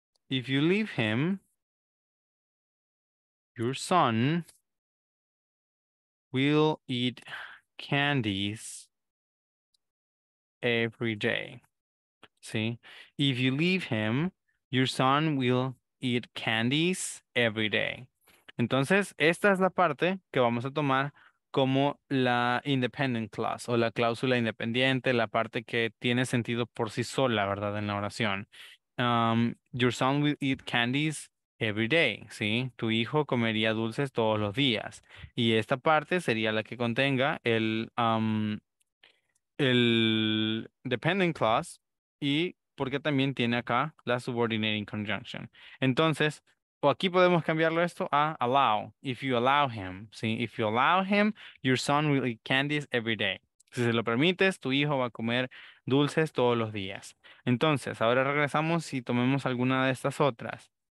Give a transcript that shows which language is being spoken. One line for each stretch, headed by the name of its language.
English: If you leave him, your son will eat candies every day. ¿Sí? If you leave him, your son will eat candies every day.
Spanish: Entonces, esta es la parte que vamos a tomar como la independent clause o la cláusula independiente, la parte que tiene sentido por sí sola, ¿verdad? En la oración.
English: Your son will eat candies every day, ¿sí?
Spanish: Tu hijo comería dulces todos los días. Y esta parte sería la que contenga el dependent clause y porque también tiene acá la subordinating conjunction. Entonces, o aquí podemos cambiarlo esto a allow,
English: if you allow him.
Spanish: ¿Sí?
English: If you allow him, your son will eat candies every day.
Spanish: Si se lo permites, tu hijo va a comer dulces todos los días. Entonces, ahora regresamos y tomemos alguna de estas otras.